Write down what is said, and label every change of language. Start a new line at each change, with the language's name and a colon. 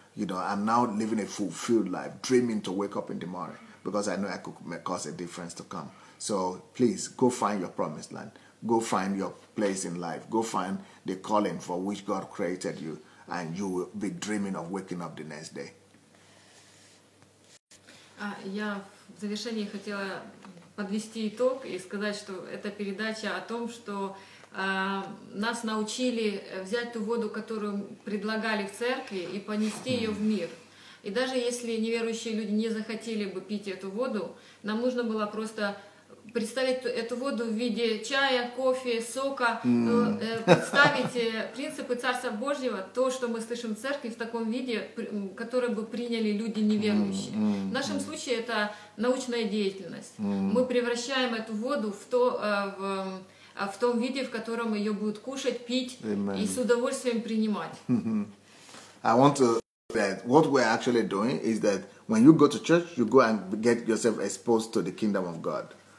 English: You know, I'm now living a fulfilled life, dreaming to wake up in the morning. Because I know I could cause a difference to come. So please, go find your promised land. Go find your place in life. Go find the calling for which God created you. And you will be dreaming of waking up the next day.
Russian: Я в завершении хотела подвести итог и сказать, что эта передача о том, что нас научили взять ту воду, которую предлагали в церкви, и понести ее в мир. И даже если неверующие люди не захотели бы пить эту воду, нам нужно было просто представить эту воду в виде чая, кофе, сока, представить принципы Царства Божьего, то, что мы слышим в церкви, в таком виде, который бы приняли люди неверующие. В нашем случае это научная деятельность. Мы превращаем эту воду в том виде, в котором ее будут кушать, пить и с удовольствием принимать.
English: That what we're actually doing is that when you go to church, you go and get yourself exposed to the kingdom of God.